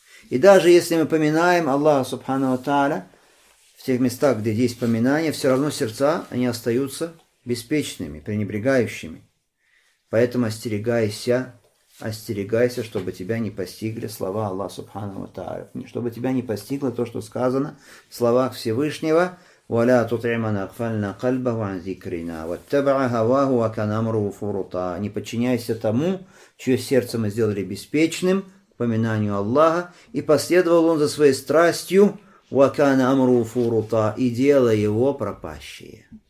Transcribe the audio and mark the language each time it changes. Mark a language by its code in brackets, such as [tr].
[ru] И даже если мы поминаем Аллаха Субхану ва Тааля в тех местах, где есть поминание, все равно сердца, они остаются беспечными, пренебрегающими. Поэтому остерегайся, чтобы тебя не постигли слова Аллаха Субхану ва Тааля. Чтобы тебя не постигло то, что сказано в словах Всевышнего, [ar] ولا تطعم من أغفلنا قلبه عن ذكرنا واتبع هواه وكان أمره فرطا. [ru] Не подчиняйся тому, чье сердце мы сделали беспечным к поминанию Аллаха, и последовал он за своей страстью, [ar] وكان أمره فرطا, [ru] и дело его пропащее.